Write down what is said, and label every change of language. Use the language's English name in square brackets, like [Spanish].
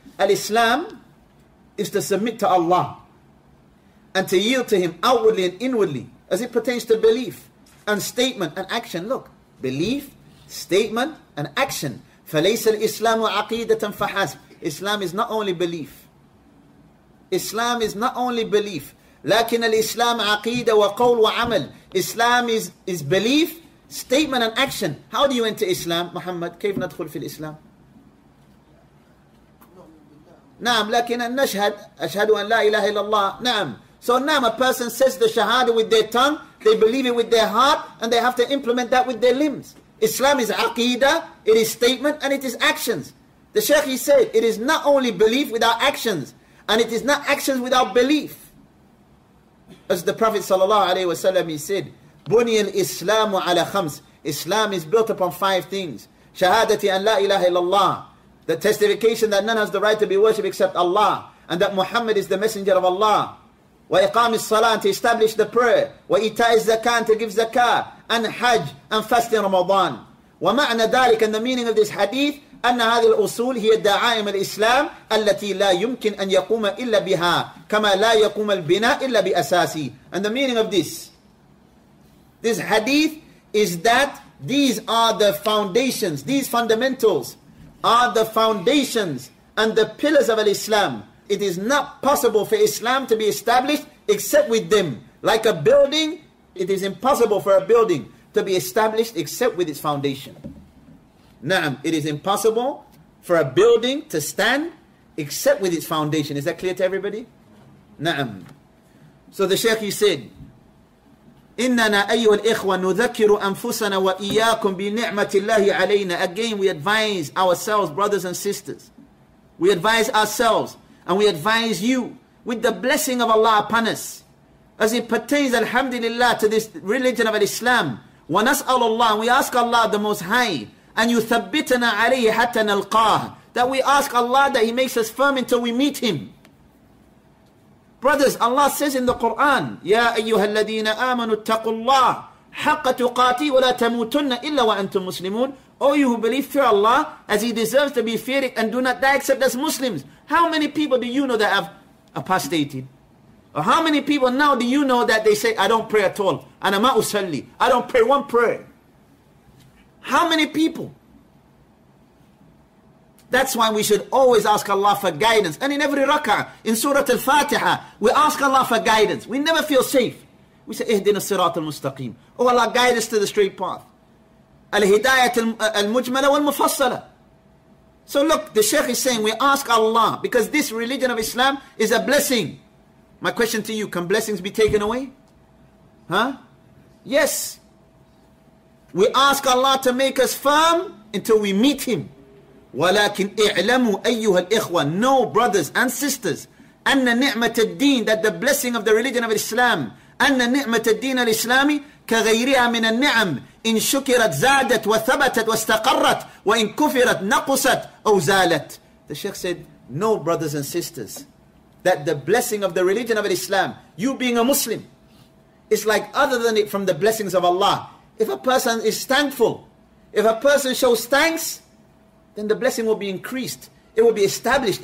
[English] Al-Islam is to submit to Allah and to yield to Him outwardly and inwardly as it pertains to belief and statement and action. Look, belief, statement and action. [Arabic] فَلَيْسَ الْإِسْلَامُ عَقِيدَةً فَحَسْبُ. [English] Islam is not only belief. Islam is not only belief. [Arabic] لكن الإسلام عقيدة وقول وعمل. [English] Islam is belief, statement and action. How do you enter Islam, Muhammad? [Arabic] كيف ندخل في الإسلام؟ نعم لكن نشهد أشهد أن لا إله إلا الله. نعم. [English] So نعم, a person says the shahada with their tongue, they believe it with their heart, and they have to implement that with their limbs. Islam is عقيدة, it is statement and it is actions. The Shaykh, he said, it is not only belief without actions, and it is not actions without belief. As the Prophet sallallahu alaihi wasallam, he said, "Buni al-Islam ala khams." Islam is built upon five things: shahadati an la ilaha illallah, the testification that none has the right to be worshipped except Allah, and that Muhammad is the messenger of Allah, wa iqam al-salah, to establish the prayer, wa ita'iz zakah, to give zakah, and hajj, and fast in Ramadan. [Arabic] Wa ma'na dalik, [English] and the meaning of this hadith, [Arabic] أن هذه الأصول هي دعائم الإسلام التي لا يمكن أن يقوم إلا بها كما لا يقوم البناء إلا بأساسي. [English] And the meaning of this hadith is that these are the foundations, these fundamentals are the foundations and the pillars of Islam. It is not possible for Islam to be established except with them. Like a building, it is impossible for a building to be established except with its foundation. Naam, it is impossible for a building to stand except with its foundation. Is that clear to everybody? Naam. So the Shaykh, he said, [Arabic] إِنَّنَا أَيُّهَا الْإِخْوَةُ نُذَكِّرُ أَنفُسَنَا وَإِيَّاكُمْ بِنِعْمَةِ اللَّهِ عَلَيْنَا. [English] Again, we advise ourselves, brothers and sisters. We advise ourselves and we advise you with the blessing of Allah upon us. As it pertains, alhamdulillah, to this religion of Islam. [Arabic] وَنَسْأَلُ اللَّهِ. [English] We ask Allah the Most High. [Arabic] And يُثَبِّتَنَا عَلَيْهِ حَتَّى نَلْقَاهِ. [English] That we ask Allah that He makes us firm until we meet Him. Brothers, Allah says in the Quran, [Arabic] يَا أَيُّهَا الَّذِينَ آمَنُوا اتَّقُوا اللَّهِ حَقَّ تُقَاتِي وَلَا تَمُوتُنَّ إِلَّا وَأَنْتُمْ مُسْلِمُونَ. [English] O you who believe, fear Allah as He deserves to be feared and do not die except as Muslims. How many people do you know that have apostated? Or how many people now do you know that they say, I don't pray at all. [Arabic] أَنَا مَا أُسَلِّي. [English] I don't pray one prayer. How many people? That's why we should always ask Allah for guidance. And in every rak'ah, in Surah Al-Fatiha, we ask Allah for guidance. We never feel safe. We say, [Arabic] اهدنا الصراط المستقيم. [English] Oh Allah, guide us to the straight path. [Arabic] الهداية المجملة والمفصلة. [English] So look, the Shaykh is saying, we ask Allah, because this religion of Islam is a blessing. My question to you, can blessings be taken away? Huh? Yes. We ask Allah to make us firm until we meet Him. [Arabic] ولكن اعلموا أيها الإخوة, [English] know brothers and sisters, [Arabic] أن نعمة الدين, [English] that the blessing of the religion of Islam, [Arabic] أن نعمة الدين الإسلامي كغيرها من النعم, إن شكرت زادت وثبتت واستقرت وإن كفرت نقصت أو زالت. [English] The Sheikh said, know brothers and sisters, that the blessing of the religion of Islam, you being a Muslim, is like other than it from the blessings of Allah. If a person is thankful, if a person shows thanks, then the blessing will be increased. It will be established.